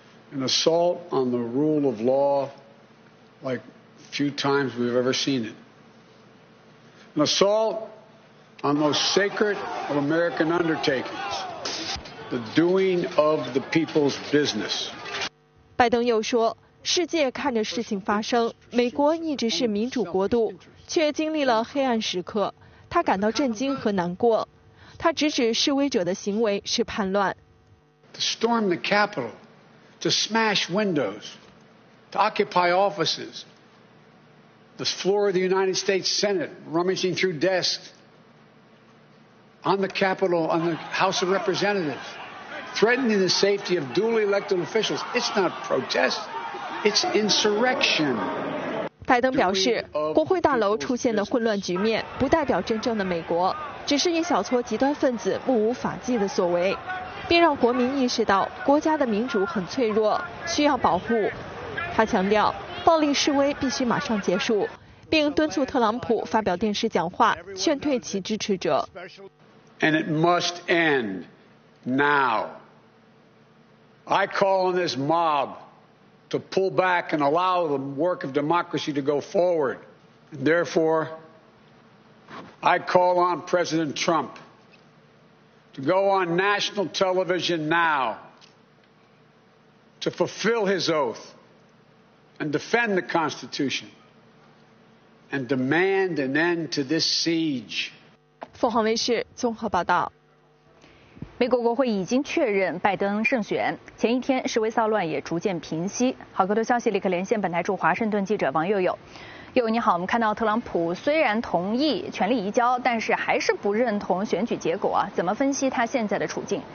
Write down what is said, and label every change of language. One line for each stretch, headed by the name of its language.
English: An assault on the rule of law like few times we've ever seen it. An assault on those sacred of American undertakings, the doing of the people's business.
Chinese: 拜登又说，世界看着事情发生，美国一直是民主国度，却经历了黑暗时刻，他感到震惊和难过。他直指示威者的行为是叛乱。
English: To storm the Capitol, to smash windows, to occupy offices, the floor of the United States Senate, rummaging through desks, on the Capitol, on the House of Representatives, threatening the safety of duly elected officials, it's not protest. It's insurrection.
Chinese: 拜登表示，国会大楼出现的混乱局面不代表真正的美国，只是一小撮极端分子目无法纪的所为，并让国民意识到国家的民主很脆弱，需要保护。他强调，暴力示威必须马上结束，并敦促特朗普发表电视讲话，劝退其支持者。
English: And it must end now. I call on this mob. To pull back and allow the work of democracy to go forward. And therefore, I call on President Trump to go on national television now to fulfill his oath and defend the Constitution and demand an end to this siege.
Chinese: 凤凰卫视综合报道。美国国会已经确认拜登胜选，前一天示威骚乱也逐渐平息。好，更多消息立刻连线本台驻华盛顿记者王佑佑。佑佑你好，我们看到特朗普虽然同意权力移交，但是还是不认同选举结果啊，怎么分析他现在的处境？